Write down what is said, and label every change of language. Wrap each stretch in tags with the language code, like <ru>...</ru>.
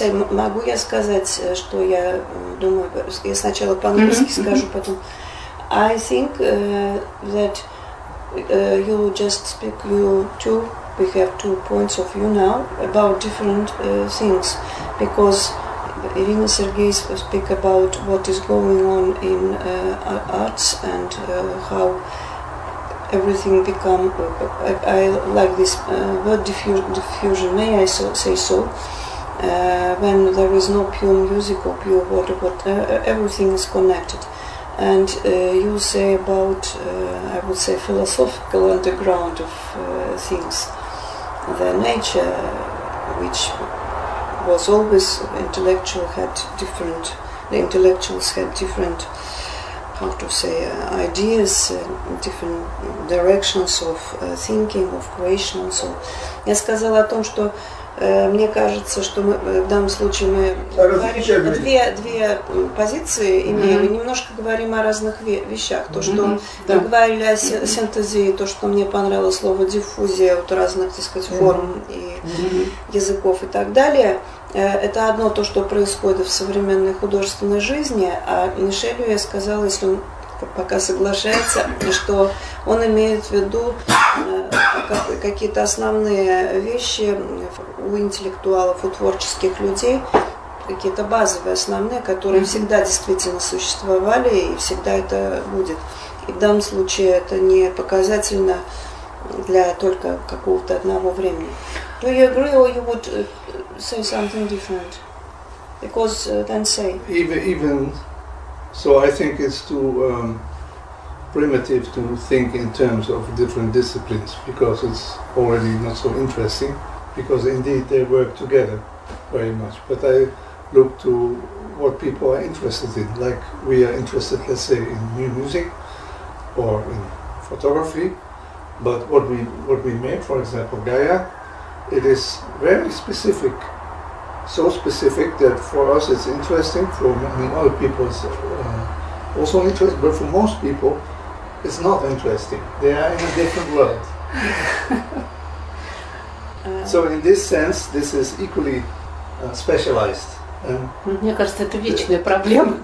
<ru>Могу я сказать, что я думаю? Я сначала по-английски скажу, потом.</ru> <en>I think that you just speak, you two, we have two points of view now about different things, because Ирина Сергеевна speak about what is going on in arts and how everything become, I like this word diffusion, may I so, say so, when there is no pure music or pure water, but everything is connected. And you say about, I would say, philosophical underground of things, the nature, which was always intellectual, had different, the intellectuals had different, how to say, ideas, different directions of thinking, of creation, and so.</en> <ru>Я сказала о том, что мне кажется, что мы в данном случае мы две позиции имеем, немножко говорим о разных вещах. То, что мы говорили о синтезе, то, что мне понравилось слово диффузия, вот разных, так сказать, форм и языков и так далее. Это одно то, что происходит в современной художественной жизни, а Мишелю я сказала, если он пока соглашается, что он имеет в виду какие-то основные вещи у интеллектуалов, у творческих людей, какие-то базовые, основные, которые всегда действительно существовали и всегда это будет. И в данном случае это не показательно для только какого-то одного времени.</ru> <en>Do you agree or you would say something different? Because then say. Even so, I think it's too primitive to think in terms of different disciplines, because it's already not so interesting, because indeed they work together very much. But I look to what people are interested in, like we are interested, let's say, in new music or in photography. But what we made, for example, Gaia, it is very specific, so specific that for us it's interesting, for many other people it's also interesting, but for most people it's not interesting. They are in a different world. So in this sense, this is equally specialized.</en> <ru>Мне кажется, это вечная проблема.</ru>